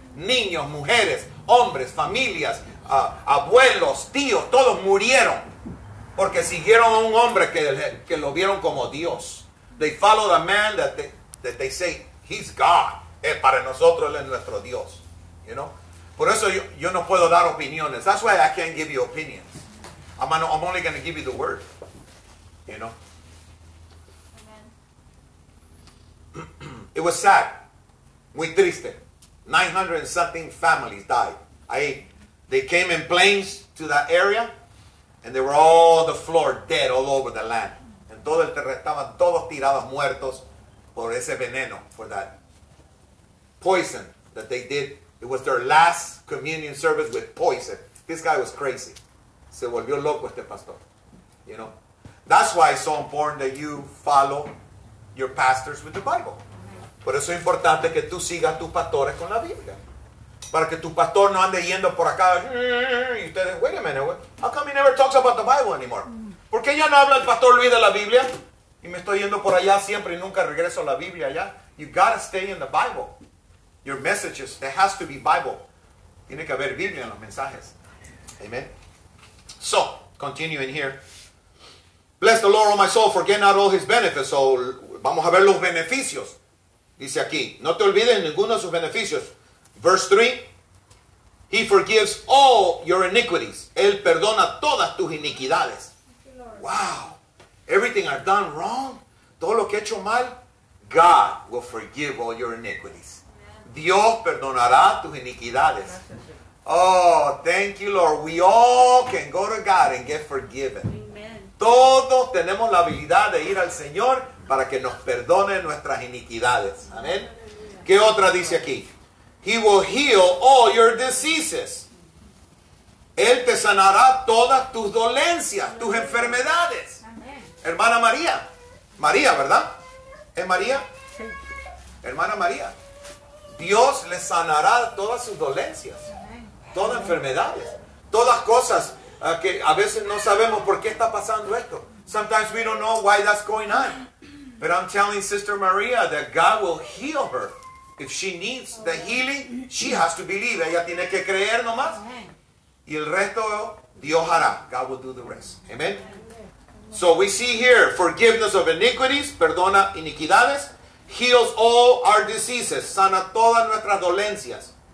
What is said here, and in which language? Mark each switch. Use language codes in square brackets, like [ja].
[es] Niños, mujeres, hombres, familias, abuelos, tíos, todos murieron. Porque siguieron a un hombre que lo vieron como Dios. [en] They followed a man that they say, he's God. [es] Para nosotros, él es nuestro Dios. You know? Por eso yo no puedo dar opiniones. [en] That's why I can't give you opinions. I'm only going to give you the word. You know? It was sad. [es] Muy triste. [en] 900 and something families died. They came in planes to that area. And they were all the floor dead all over the land. [es] En todo el terreno estaban todos tirados muertos por ese veneno. [en] For that poison that they did. It was their last communion service with poison. This guy was crazy. [es] Se volvió loco este pastor. [en] You know. That's why it's so important that you follow your pastors with the Bible. [es] Por eso es importante que tú sigas tus pastores con la Biblia. Para que tu pastor no ande yendo por acá. Y ustedes, [en] wait a minute. How come he never talks about the Bible anymore? [es] ¿Por qué ya no habla el pastor Luis de la Biblia? Y me estoy yendo por allá siempre y nunca regreso a la Biblia allá. [en] You gotta stay in the Bible. Your messages, there has to be Bible. [es] Tiene que haber Biblia en los mensajes. Amen. [en] So, continuing here. Bless the Lord, O my soul, forget not all his benefits. [es] So, vamos a ver los beneficios. Dice aquí, no te olvides ninguno de sus beneficios. [en] Verse 3, he forgives all your iniquities. [es] Él perdona todas tus iniquidades. [en] Wow, everything I've done wrong, [es] todo lo que he hecho mal, [en] God will forgive all your iniquities. [es] Dios perdonará tus iniquidades. [en] Oh, thank you, Lord. We all can go to God and get forgiven. [es] Todos tenemos la habilidad de ir al Señor para que nos perdone nuestras iniquidades. Amén. ¿Qué otra dice aquí? [en] He will heal all your diseases. [es] Él te sanará todas tus dolencias, tus enfermedades. Amén. Hermana María. María, ¿verdad? ¿Es María? Hermana María. Dios le sanará todas sus dolencias, todas enfermedades, todas cosas que a veces no sabemos por qué está pasando esto. [en] Sometimes we don't know why that's going on. But I'm telling Sister Maria that God will heal her. If she needs the healing, she has to believe. [es] Ella tiene que creer nomás. Y el resto, Dios hará. [en] God will do the rest. [es] Amen. [en] So we see here, forgiveness of iniquities, [es] perdona iniquidades, [en] heals all our diseases, [es] sana todas nuestras dolencias.